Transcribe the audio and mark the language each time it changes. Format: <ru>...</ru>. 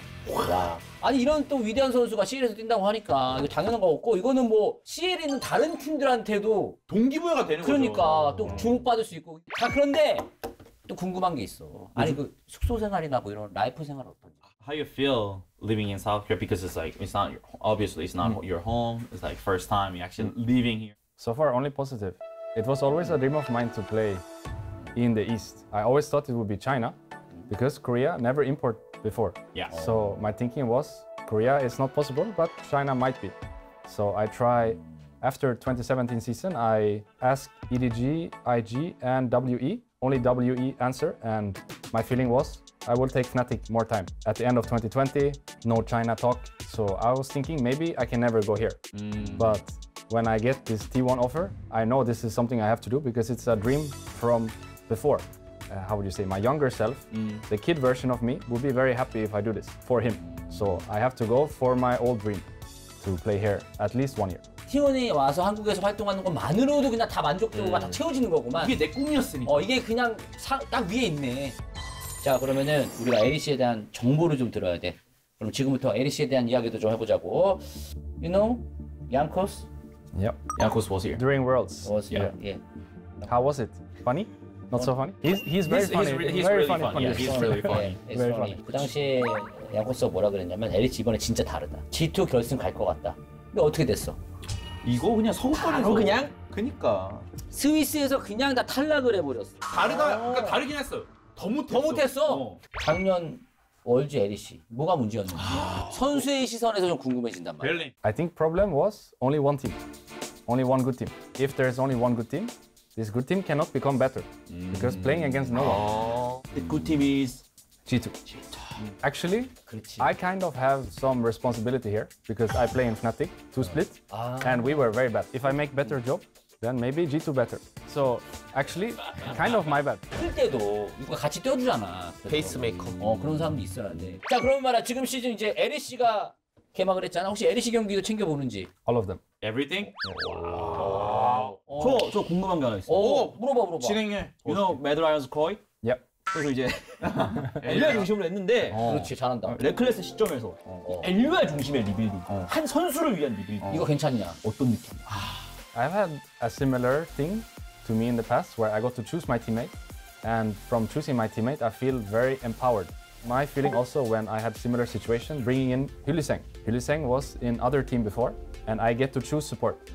<ko>와. 아니 이런 또 위대한 선수가 CL에서 뛴다고 하니까 이거 당연한 거 같고 이거는 뭐 CL에 있는 다른 팀들한테도 동기부여가 되는 그러니까 거죠. 그러니까 또 주목받을 수 있고. 자 그런데 또 궁금한 게 있어. 아니 그 숙소 생활이나 뭐 이런 라이프 생활 어떤지.</ko> <en>How you feel living in South Korea? Because it's like, it's not your, obviously it's not your home. It's like first time you actually living here. So far, only positive. It was always a dream of mine to play in the East. I always thought it would be China because Korea never import before. Yeah. So my thinking was Korea is not possible, but China might be. So I try, after 2017 season, I ask EDG, IG, and WE. Only WE answer. And my feeling was I will take Fnatic more time. At the end of 2020, no China talk. So I was thinking maybe I can never go here. Mm. But when I get this T1 offer, I know this is something I have to do because it's a dream from before. How would you say, my younger self, the kid version of me, would be very happy if I do this for him. So I have to go for my old dream to play here at least 1 year.</en> <ko>T1이 와서 한국에서 활동하는 것만으로도 그냥 다 만족도가 다 채워지는 거구만. 이게 내 꿈이었으니까. 이게 그냥 딱 위에 있네. 자, 그러면은 우리가 LEC에 대한 정보를 좀 들어야 돼. 그럼 지금부터 LEC에 대한 이야기도 좀 해보자고.</ko> <en>You know, Yankos? Yep. Yankos was here. During Worlds. Was here. Yeah. How was it? Funny? Not so funny? He's very funny. Yeah, he's really funny.</en> <ko>그 당시에 양코스가 뭐라 그랬냐면 LEC 이번에 진짜 다르다. G2 결승 갈 것 같다. 근데 어떻게 됐어? 이거 그냥 성과를 그냥? 그니까. 스위스에서 그냥 다 탈락을 해버렸어. 다르다, 그러니까 다르긴 했어. 더 못했어. 더 못했어. 작년 월즈 LEC 뭐가 문제였는지. 선수의 시선에서 좀 궁금해진단 말이야.</ko> <en>Berlin. I think problem was only one team. Only one good team. If there's only one good team, this good team cannot become better because playing against no one. The good team is G2. Actually,</en> <ko>그렇지.</ko> <en>I kind of have some responsibility here because I play in Fnatic 2-split and we were very bad. If I make better job, then maybe G2 better. So actually, kind of my bad.</en> <ko>뛸 때도 누가 같이 뛰어주잖아. 페이스메이커. 그런 사람도 있어야 돼. 자, 그러면 말아. 지금 시즌 이제 LEC가 개막을 했잖아. 혹시 LEC 경기도 챙겨 보는지?</ko> <en>All of them. Everything? Wow. Wow.</en> <ko>저 궁금한 게 하나 있어. 물어봐, 물어봐. 진행해.</ko> <en>You know, Mad Lions Koi? Yep.</en> <ko>그래서 이제 엘리아 중심으로 했는데 그렇지, 잘한다. 레클레스 시점에서 엘리아 중심의 리빌딩. 한 선수를 위한 리빌딩. 이거 괜찮냐? 어떤 느낌?</ko> <en>I've had a similar thing to me in the past where I got to choose my teammate. And from choosing my teammate, I feel very empowered. My feeling also when I had similar situation bringing in Hyuliseng. Hyuliseng was in other team before and I get to choose support.</en>